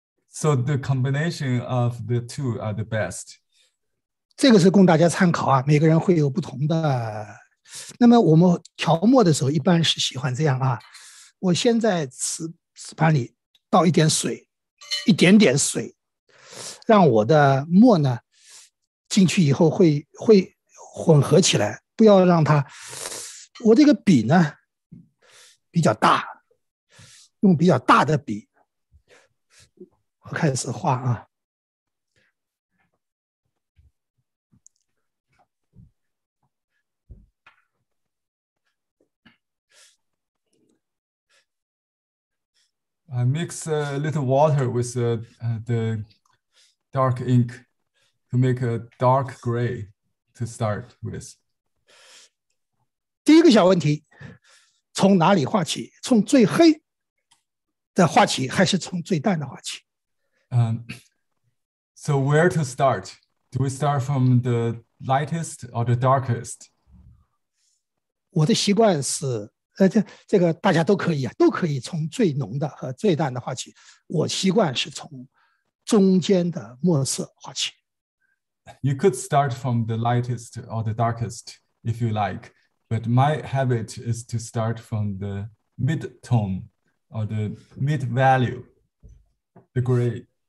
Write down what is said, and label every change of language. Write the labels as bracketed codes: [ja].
[en] So the combination of the two are the best. [zh] 这个是供大家参考啊，每个人会有不同的。那么我们调墨的时候一般是喜欢这样啊，我先在瓷盘里倒一点水，一点点水，让我的墨呢进去以后会混合起来，不要让它，我这个笔呢比较大，用比较大的笔。我开始画啊， [en] I mix a little water with the dark ink to make a dark gray to start with. [zh] 第一个小问题，从哪里画起？从最黑的画起，还是从最淡的画起？ [en] So where to start? Do we start from the lightest or the darkest? [zh] 我的习惯是，这个大家都可以啊，都可以从最浓的和最淡的画起。我习惯是从中间的墨色画起。 [en] You could start from the lightest or the darkest if you like, but my habit is to start from the mid-tone or the mid-value, the gray.